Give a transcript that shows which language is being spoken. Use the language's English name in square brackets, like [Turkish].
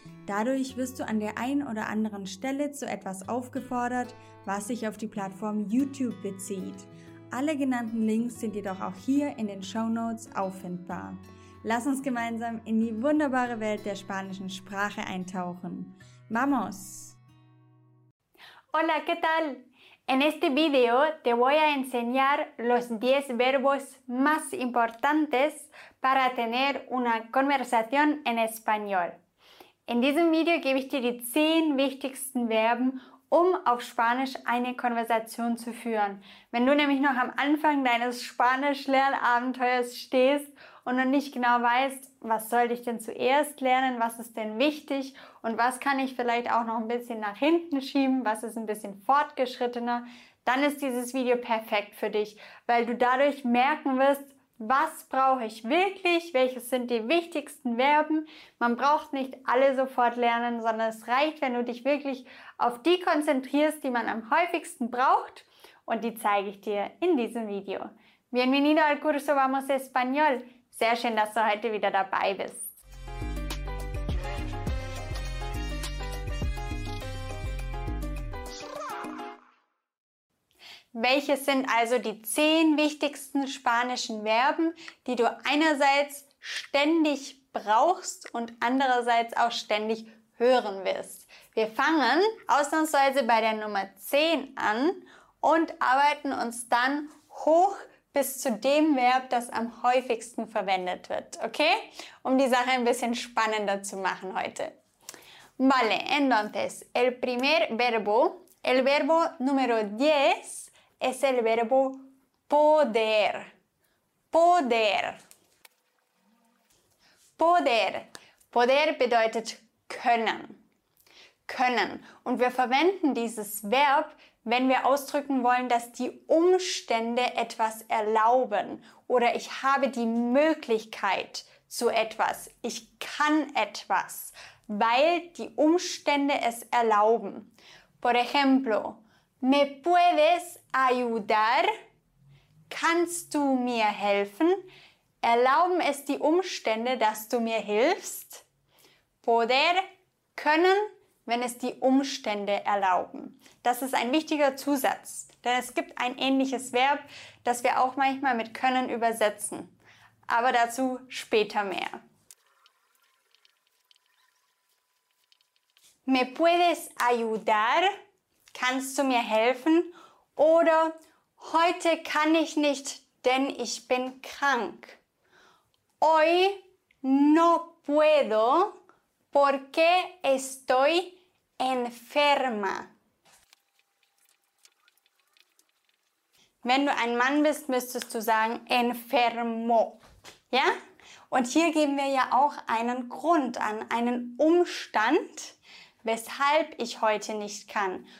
[German] Dadurch wirst du an der einen oder anderen Stelle zu etwas aufgefordert, was sich auf die Plattform YouTube bezieht. Alle genannten Links sind jedoch auch hier in den Shownotes auffindbar. Lass uns gemeinsam in die wunderbare Welt der spanischen Sprache eintauchen. [Spanish] ¡Vamos! Hola, ¿qué tal? En este video te voy a enseñar los 10 verbos más importantes para tener una conversación en español. [German] In diesem Video gebe ich dir die 10 wichtigsten Verben, um auf Spanisch eine Konversation zu führen. Wenn du nämlich noch am Anfang deines Spanisch-Lernabenteuers stehst und noch nicht genau weißt, was soll ich denn zuerst lernen, was ist denn wichtig und was kann ich vielleicht auch noch ein bisschen nach hinten schieben, was ist ein bisschen fortgeschrittener, dann ist dieses Video perfekt für dich, weil du dadurch merken wirst, was brauche ich wirklich? Welches sind die wichtigsten Verben? Man braucht nicht alle sofort lernen, sondern es reicht, wenn du dich wirklich auf die konzentrierst, die man am häufigsten braucht. Und die zeige ich dir in diesem Video. [Spanish] Bienvenido al curso Vamos Español. [German] Sehr schön, dass du heute wieder dabei bist. Welches sind also die 10 wichtigsten spanischen Verben, die du einerseits ständig brauchst und andererseits auch ständig hören wirst? Wir fangen ausnahmsweise bei der Nummer 10 an und arbeiten uns dann hoch bis zu dem Verb, das am häufigsten verwendet wird. Okay? Um die Sache ein bisschen spannender zu machen heute. [Spanish] Vale, entonces, el primer verbo, el verbo número 10, es el verbo poder. Poder. [German] Poder. Poder bedeutet können. Können. Und wir verwenden dieses Verb, wenn wir ausdrücken wollen, dass die Umstände etwas erlauben. Oder ich habe die Möglichkeit zu etwas. Ich kann etwas, weil die Umstände es erlauben. [Spanish] Por ejemplo, me puedes ayudar, [German] kannst du mir helfen? Erlauben es die Umstände, dass du mir hilfst? Poder, können, wenn es die Umstände erlauben. Das ist ein wichtiger Zusatz, denn es gibt ein ähnliches Verb, das wir auch manchmal mit können übersetzen. Aber dazu später mehr. [Spanish] Me puedes ayudar, [German] kannst du mir helfen? Oder heute kann ich nicht, denn ich bin krank. [Spanish] Hoy no puedo porque estoy enferma. [German] Wenn du ein Mann bist, müsstest du sagen enfermo. Ja? Und hier geben wir ja auch einen Grund an, einen Umstand, weshalb ich heute nicht kann.